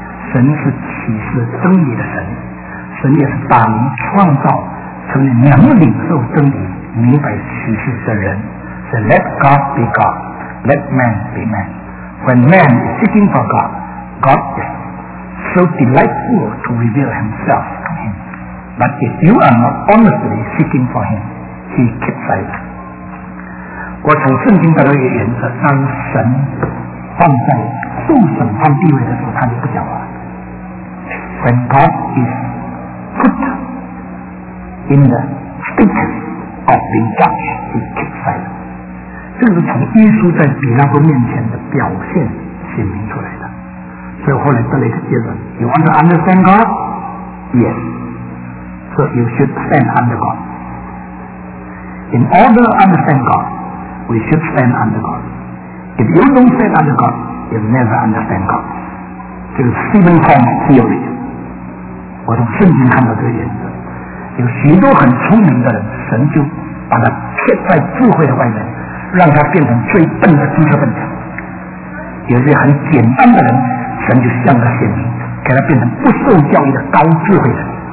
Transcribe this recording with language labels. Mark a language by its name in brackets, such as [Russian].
[Chinese] 神是启示真理的神，神也是把人创造成为能领受真理明白启示的人，是 [English] Let God be God, Let man be man, When man is seeking for God, God isSo delightful to reveal himself to him. But if you are not honestly seeking for him, he keeps silent. [Chinese] 我从圣经当中也原则，当神放在受审判地位的时候，他就不讲话。 [English] When God is put in the status of being judged, he keeps silent. [Chinese] 这是从耶稣在比拉多面前的表现显明出来的。所以后来得了一个结论， [English] You want to understand God? Yes. So you should stand under God. In order to understand God, we should stand under God. If you don't stand under God, you'll never understand God. [Chinese] 这个 Stephen Fong Theory， 我从圣经看到这个原则，有许多很聪明的人，神就把他贴在智慧的外面，让他变成最笨的知识分子，有些很简单的人，神就向他显明，给他变成不受教育的高智慧人。